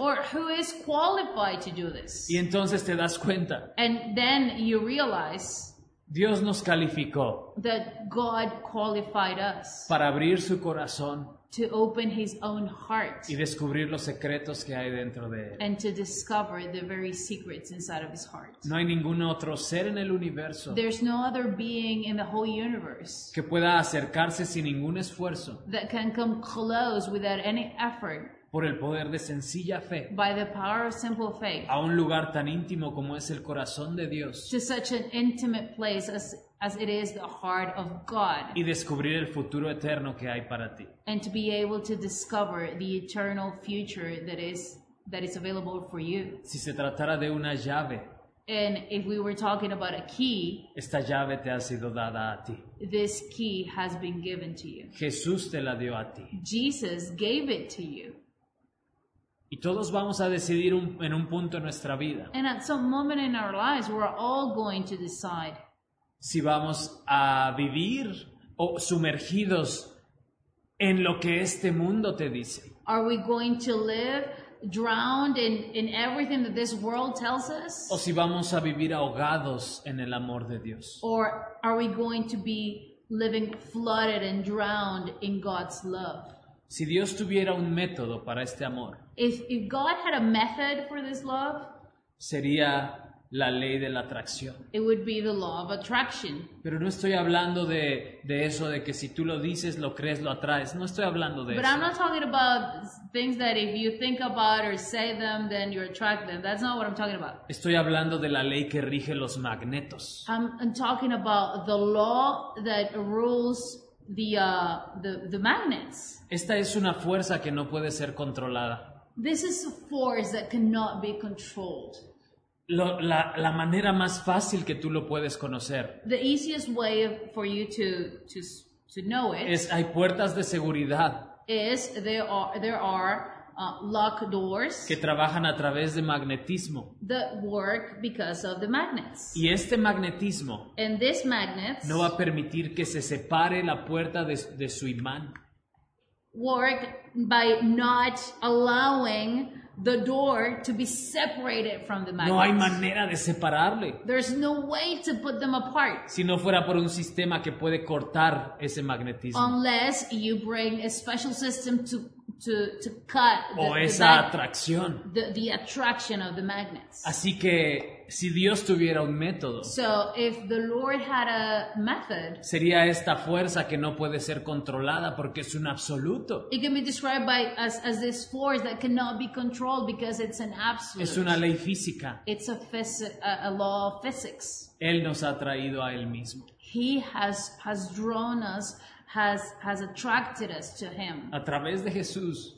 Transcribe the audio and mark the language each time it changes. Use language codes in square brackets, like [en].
[en] Or who is qualified to do this? [es] Y entonces te das cuenta. [en] And then you realize, [es] Dios nos calificó. [en] That God qualified us. [es] Para abrir su corazón. [en] To open His own heart. [es] Y descubrir los secretos que hay dentro de él. [en] And to discover the very secrets inside of His heart. [es] No hay ningún otro ser en el universo. [en] There's no other being in the whole universe. [es] Que pueda acercarse sin ningún esfuerzo. [en] That can come close without any effort. [es] Por el poder de sencilla fe. [en] By the power of simple faith. [es] A un lugar tan íntimo como es el corazón de Dios. [en] To such an intimate place as it is the heart of God. [es] Y descubrir el futuro eterno que hay para ti. [en] And to be able to discover the eternal future that is available for you. [es] Si se tratara de una llave. [en] And if we were talking about a key. [es] Esta llave te ha sido dada a ti. [en] This key has been given to you. [es] Jesús te la dio a ti. [en] Jesus gave it to you. [es] Y todos vamos a decidir en un punto en nuestra vida. [en] And at some moment in our lives, we're all going to decide. [es] Si vamos a vivir o sumergidos en lo que este mundo te dice. [en] Are we going to live drowned in everything that this world tells us? [es] O si vamos a vivir ahogados en el amor de Dios. [en] Or are we going to be living flooded and drowned in God's love? [es] Si Dios tuviera un método para este amor. [en] If God had a method for this love. [es] Sería la ley de la atracción. [en] It would be the law of attraction. [es] Pero no estoy hablando de eso de que si tú lo dices, lo crees, lo atraes. No estoy hablando de [en] but But I'm not talking about things that if you think about or say them, then you attract them. That's not what I'm talking about. [es] Estoy hablando de la ley que rige los magnetos. [en] I'm talking about the law that rules the magnets. [es] Esta es una fuerza que no puede ser controlada. [en] This is a force that cannot be controlled. [es] La manera más fácil que tú lo puedes conocer. [en] The easiest way for you to know it. [es] Es hay puertas de seguridad. [en] Is there are lock doors. [es] Que trabajan a través de magnetismo. [en] That work because of the magnets. [es] Y este magnetismo. [en] And this magnet. [es] No va a permitir que se separe la puerta de su imán. [en] Work by not allowing the door to be separated from the magnet. [es] No hay manera de separarle. [en] There's no way to put them apart. [es] Si no fuera por un sistema que puede cortar ese magnetismo. [en] Unless you bring a special system to cut [es] atracción. [en] The attraction of the magnets. [es] Así que si Dios tuviera un método. [en] So if the Lord had a method. [es] Sería esta fuerza que no puede ser controlada porque es un absoluto. [en] It can be described by as this force that cannot be controlled because it's an absolute. [es] Es una ley física. [en] It's a law of physics. [es] Él nos ha traído a Él mismo. [en] He has drawn us has attracted us to him. [es] A través de Jesús.